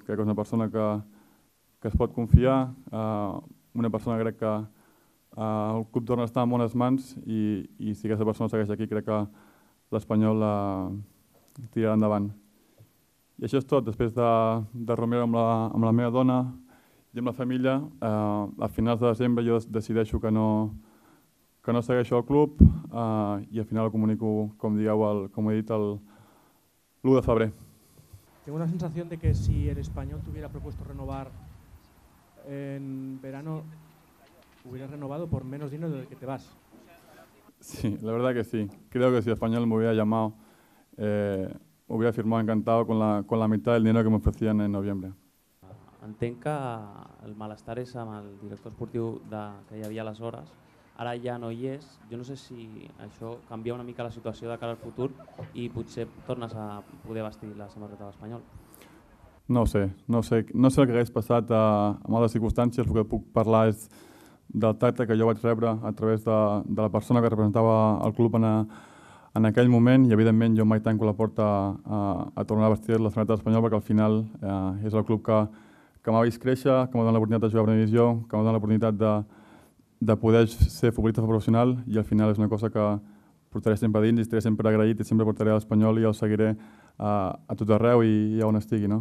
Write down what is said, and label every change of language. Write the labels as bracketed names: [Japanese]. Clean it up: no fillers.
[Catalan] Crec que és una persona que es pot confiar, una persona crec que el club torna a estar en bones mans, i si aquesta persona segueix aquí crec que l'Espanyol tirarà endavant. I això és tot. Després de reunir-me amb la meva dona i amb la família, a finals de desembre jo decideixo que no segueixo el club, i al final ho comunico, com he dit, l'1 de febrer. [Spanish] Tengo una sensación de que si el Espanyol [Catalan] t'hubiera [Spanish] propuesto renovar en verano, hubieras renovado por menos dinero del que te vas. Sí, la verdad que sí. Creo que si Espanyol me hubiera llamado, hubiera firmado encantado con la mitad del dinero que me ofrecían en noviembre. [Catalan] Entenc que el malestar és amb el director esportiu que hi havia aleshores. Ara ja no hi és. Jo no sé si això canvia una mica la situació de cara al futur i potser tornes a poder vestir la samarreta de l'Espanyol. No sé el que hagués passat amb altres circumstàncies. El que puc parlar és del tacte que jo vaig rebre a través de la persona que representava el club en aquell moment, i evidentment jo mai tanco la porta a tornar a vestir la samarreta d'Espanyol, perquè al final és el club que m'ha vist créixer, que m'ha donat l'oportunitat de jugar a primera divisió, que m'ha donat l'oportunitat de poder ser futbolista professional, i al final és una cosa que portaré sempre a dins i estaré sempre agraït i sempre portaré a l'Espanyol, i el seguiré a tot arreu i on estigui.